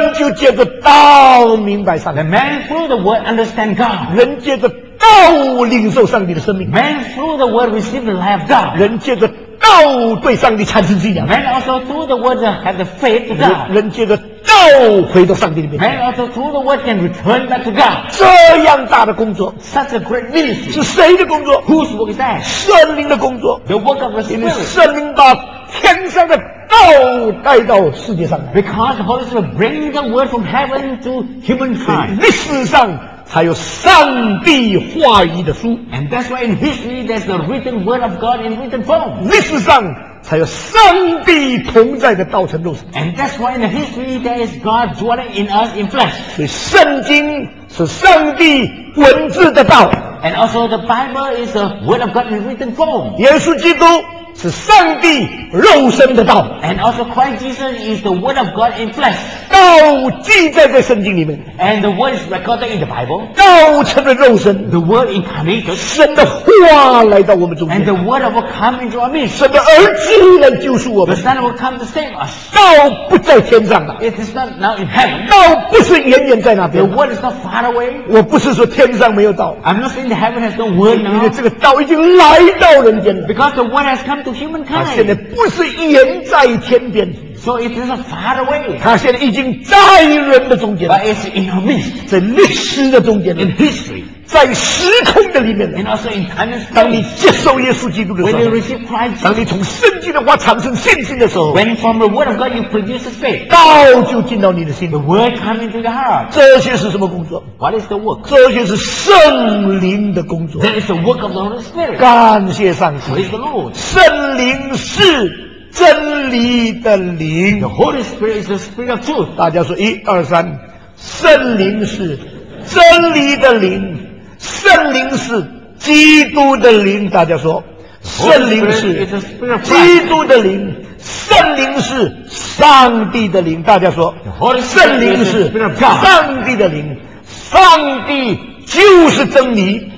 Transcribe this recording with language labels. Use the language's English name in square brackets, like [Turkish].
[Chinese] 人就借着道明白上帝。 [English] The man through the word understand God. [Chinese] 人借着道领受上帝的生命。 [English] Man through the word receive the life of God. [Chinese] 人借着道对上帝产生信仰。 [English] Man also through the word have the faith to God. [Chinese] 人借着道回到上帝里面。 [English] Man also through the word can return back to God. [Chinese] 这样大的工作。 [English] Such a great ministry. [Chinese] 是谁的工作？ [English] Whose work is that? [Chinese] 圣灵的工作。 [English] The work of the Spirit. [Chinese] 因为圣灵把天上的道带到世界上来。 [English] Because Holy Spirit bring the word from heaven to humankind. [Chinese] 历史上才有上帝话语的书。 [English] And that's why in history there's the written word of God in written form. [Chinese] 历史上才有上帝同在的道成肉身。 [English] And that's why in the history there is God dwelling in us in flesh. [Chinese] 所以圣经是上帝文字的道。 [English] And also the Bible is the word of God in written form. [Chinese] 耶稣基督是上帝肉身的道。 [English] And also Christ Jesus is the word of God in flesh. [Chinese] 道记载在圣经里面。 [English] And the word is recorded in the Bible. [Chinese] 道成了肉身。 [English] The word incarnated. [Chinese] 神的话来到我们中间。 [English] And the word of God come into our midst. [Chinese] 神的儿子来救赎我们。 [English] The son will come to save us. [Chinese] 道不在天上了。 [English] It is not now in heaven. [Chinese] 道不是远远在那边。 [English] The word is not far away. [Chinese] 我不是说天上没有道。 [English] I'm not saying heaven has no word now. [Chinese] 因为这个道已经来到人间了。 [English] Because the word has come to humankind. [Chinese] 它现在不是远在天边。 [English] So it is far away. [Chinese] 他现在已经在人的中间了。 [English] But it's in our midst. [Chinese] 在历史的中间了。 [English] In history. [Chinese] 在时空的里面了。 [English] And also in time and space. [Chinese] 当你接受耶稣基督的时候。 [English] When you receive Christ. [Chinese] 当你从圣经的话产生信心的时候。 [English] When from the word of God you produce faith. [Chinese] 道就进到你的心。 [English] The word comes into your heart. [Chinese] 这些是什么工作？ [English] What is the work? [Chinese] 这些是圣灵的工作。 [English] That is the work of the Holy Spirit. [Chinese] 感谢上帝。 [English] Praise the Lord. [Chinese] 圣灵是真理的灵。 [English] The Holy Spirit is the Spirit of truth. [Chinese] 大家说一二三，圣灵是真理的灵，圣灵是基督的灵。大家说，圣灵是基督的灵，圣灵是上帝的灵。大家说，圣灵是上帝的灵，上帝就是真理。